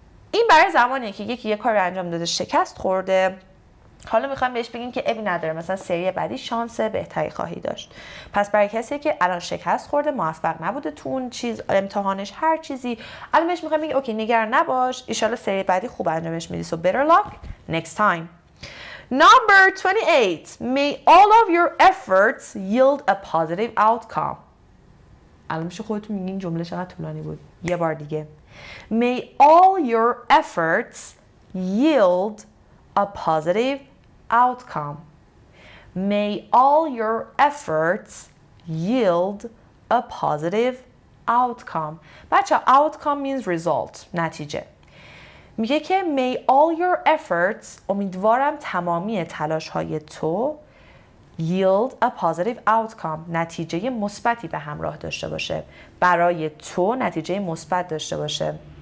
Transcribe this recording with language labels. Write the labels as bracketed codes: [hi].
[fa] این برای زمانیه که یکی یه کار انجام داده شکست خورده، حالا میخوام بهش بگیم که ابی نداره، مثلا سری بعدی شانس بهتری خواهی داشت. پس برای کسی که الان شکست خورده، موفق نبوده تو اون چیز، امتحانش، هر چیزی، الان بهش میخوام بگیم اوکی نگران نباش، ایشالا سری بعدی خوب انجامش میدی. [en] So better luck next time. Number 28. May all of your efforts yield a positive outcome. [fa] الان میشه خودتون میگین جمله چقدر طولانی بود. یه بار دیگه. [en] May all your efforts yield a positive outcome. May all your efforts yield a positive outcome. بچه outcome means result، نتیجه. [fa] میگه که [en] may all your efforts، [fa] امیدوارم تمامی تلاش های تو، [en] yield a positive outcome، [fa] نتیجه مثبتی به همراه داشته باشه، برای تو نتیجه مثبت داشته باشه.